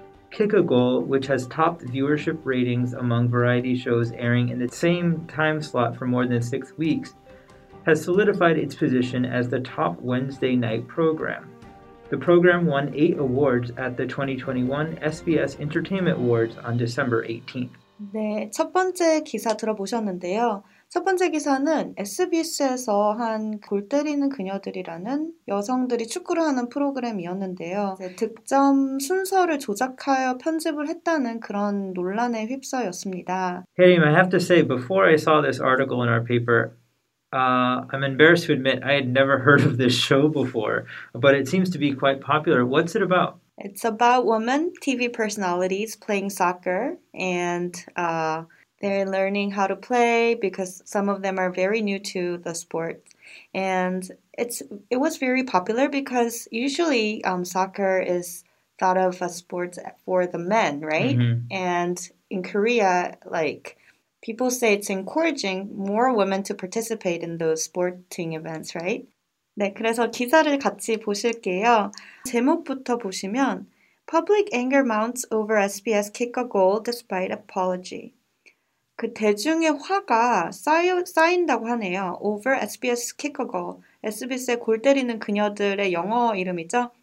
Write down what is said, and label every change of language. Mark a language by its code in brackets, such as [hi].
[en] Kick a Goal, which has topped viewership ratings among variety shows airing in the same time slot for more than 6 weeks, has solidified its position as the top Wednesday night program. The program won 8 awards at the 2021 SBS Entertainment Awards on December 18th. [ko] 네, 첫 번째 기사 들어보셨는데요. 첫 번째 기사는 SBS에서 한 골 때리는 그녀들이라는 여성들이 축구를 하는 프로그램이었는데요. 득점 순서를 조작하여 편집을 했다는 그런 논란에 휩싸였습니다. [en] Hey, I have to say, before I saw this article in our paper, I'm embarrassed to admit I had never heard of this show before, but it seems to be quite popular. What's it about? It's about women TV personalities playing soccer, and they're learning how to play because some of them are very new to the sport. And it was very popular because usually soccer is thought of a sport for the men, right? Mm-hmm. And in Korea, like, people say it's encouraging more women to participate in those sporting events, right? [ko] 네, 그래서 기사를 같이 보실게요. 제목부터 보시면 [en] Public anger mounts over SBS kick a goal despite apology. [ko] 그 대중의 화가 쌓인다고 하네요. [en] Over SBS kick a goal. [ko] SBS의 골 때리는 그녀들의 영어 이름이죠.